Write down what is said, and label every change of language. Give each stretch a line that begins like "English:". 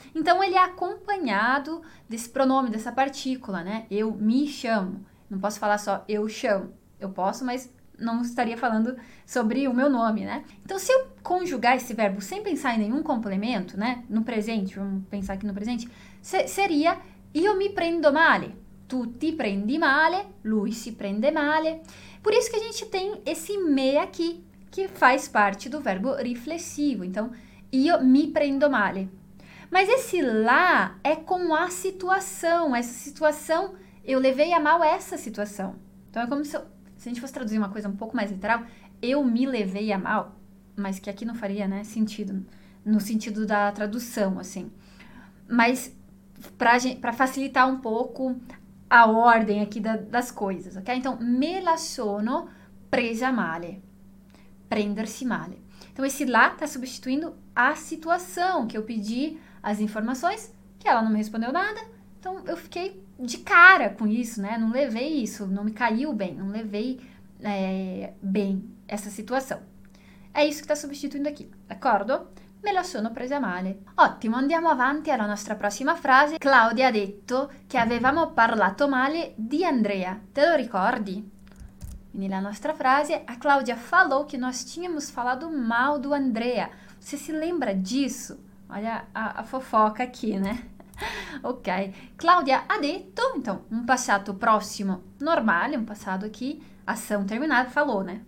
Portuguese: Então ele é acompanhado desse pronome, dessa partícula, né? Eu me chamo. Não posso falar só eu chamo. Eu posso, mas não estaria falando sobre o meu nome, né? Então se eu conjugar esse verbo sem pensar em nenhum complemento, né? No presente, vamos pensar aqui no presente, seria
Italian: io mi prendo male. Tu ti prendi male, lui si prende male.
Portuguese: Por isso que a gente tem esse me aqui, que faz parte do verbo riflessivo. Então,
Italian: io mi prendo male.
Portuguese: Mas esse lá é com a situação. Essa situação, eu levei a mal essa situação. Então, é como se a gente fosse traduzir uma coisa um pouco mais literal, eu me levei a mal, mas que aqui não faria, né, sentido, no sentido da tradução, assim. Mas para facilitar um pouco a ordem aqui das coisas, ok? Então,
Italian: me la sono presa male. Prendersi male.
Portuguese: Então, esse lá está substituindo a situação que eu pedi as informações, que ela não me respondeu nada, então eu fiquei de cara com isso, né? Não levei isso, não me caiu bem, não levei bem essa situação. É isso que está substituindo aqui, d'accordo?
Italian: Me la sono presa male. Ottimo, andiamo avanti alla nostra prossima frase. Claudia ha detto che avevamo parlato male di Andrea, te lo ricordi? Quindi
Portuguese: na nossa frase, a Cláudia falou que nós tínhamos falado mal do Andrea. Você se lembra disso? Olha a fofoca aqui, né? Ok.
Italian: Cláudia ha detto,
Portuguese: então, passato próximo normale, passado aqui, ação terminada, falou, né?